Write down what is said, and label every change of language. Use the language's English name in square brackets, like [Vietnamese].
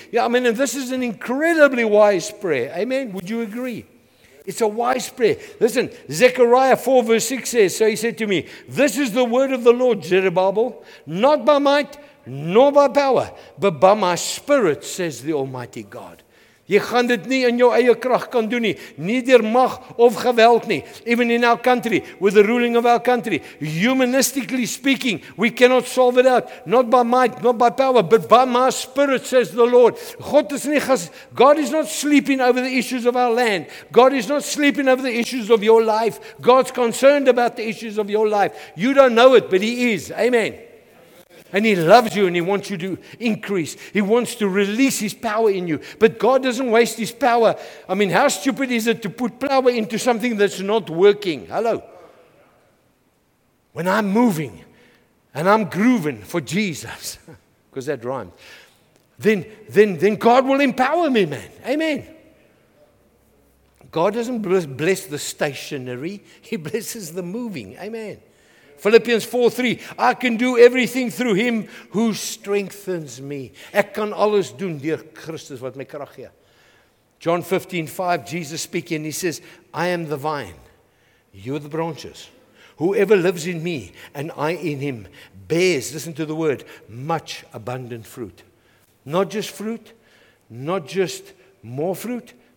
[English] Yeah, I mean, and this is an incredibly wise prayer. Amen. Would you agree? It's a wise prayer. Listen, Zechariah 4 verse 6 says, so he said to me, this is the word of the Lord, Zerubbabel, not by might nor by power, but by my spirit, says the Almighty God. [Afrikaans] Jy gaan dit nie in jou eie krag kan doen nie, nie deur mag of geweld nie. [English] Even in our country, with the ruling of our country, humanistically speaking, we cannot solve it out, not by might, not by power, but by my spirit, says the Lord. [Afrikaans] God is nie [English] God is not sleeping over the issues of our land. God is not sleeping over the issues of your life. God's concerned about the issues of your life. You don't know it, but He is. Amen. And He loves you and He wants you to increase. He wants to release His power in you. But God doesn't waste His power. I mean, how stupid is it to put power into something that's not working? Hello? When I'm moving and I'm grooving for Jesus, because that rhymes, then God will empower me, man. Amen. God doesn't bless the stationary. He blesses the moving. Amen. Philippians 4:3, I can do everything through Him who strengthens me. [Afrikaans] Ek kan alles doen deur Christus wat my krag gee. [English] John 15:5, Jesus speaking, He says, I am the vine, you are the branches. Whoever lives in me and I in him bears, listen to the word, much abundant fruit. Not just fruit, not just more fruit.